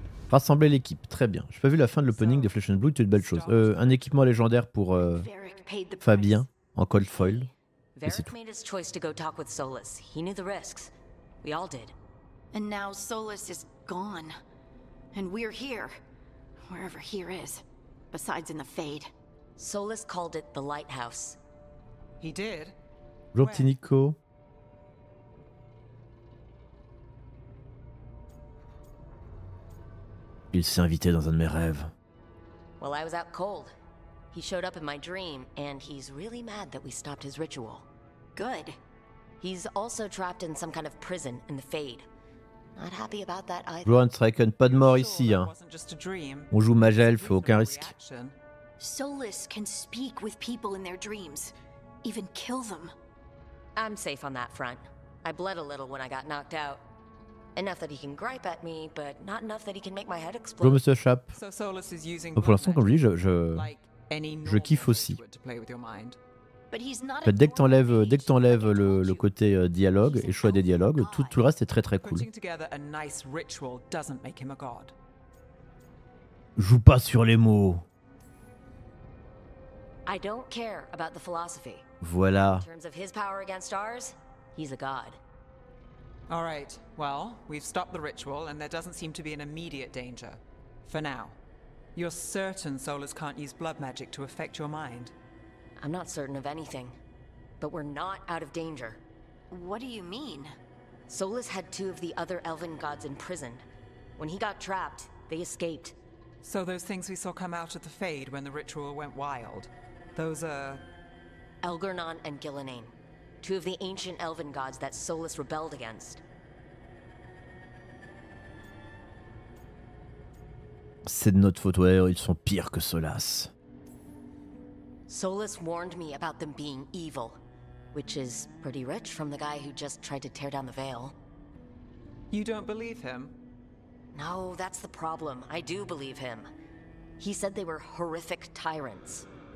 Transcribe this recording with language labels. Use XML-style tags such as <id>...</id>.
<fr>Rassembler l'équipe, très bien. J'ai pas vu la fin de l'opening de Flesh and Blood, c'est une belle chose. Un équipement légendaire pour Fabien en cold foil.</fr> <en>Varric made his choice to go talk with Solas. He knew the risks. We all did. And now Solas is gone. And we're here. Wherever here is. Besides in the fade. Solas called it the lighthouse. He did.</en> <fr>Bonjour petit Nico. Il s'est invité dans un de mes rêves.</fr> <en>Well, I was out cold. He showed up in my dream, and he's really mad that we stopped his ritual. Good. He's also trapped in some kind of prison in the Fade. Not happy about that either.</en> <fr>Rohan Strycon, pas de mort ici, hein. On joue Majel, faut aucun risque.</fr> <en>Solas can speak with people in their dreams, even kill them. I'm safe on that front. I bled a little when I got knocked out. Enough that he can gripe at me, but not enough that he can make my head explode.</en> <fr>Je me s'échappe. Pour l'instant, comme je dis, je kiffe aussi. Mais dès que t'enlèves le côté dialogue et choix des dialogues, tout le reste est très très cool. Joue pas sur les mots.</fr> <en>I don't care about the philosophy.</en> <fr>Voilà.</fr> <en>In terms of his power against ours, he's a god. All right. Well, we've stopped the ritual and there doesn't seem to be an immediate danger for now. You're certain Solas can't use blood magic to affect your mind? I'm not certain of anything, but we're not out of danger. What do you mean? Solas had two of the other elven gods imprisoned. When he got trapped, they escaped. So those things we saw come out of the Fade when the ritual went wild. Those are Elgernon and Gilinane, two of the ancient elven gods that Solas rebelled against.</en> <fr>C'est de notre faute, ouais, ils sont pires que Solas.</fr> <en>Solas warned me about them being evil, which is pretty rich from the guy who just tried to tear down the veil. You don't believe him? No, that's the problem. I do believe him. He said they were horrific tyrants.</en>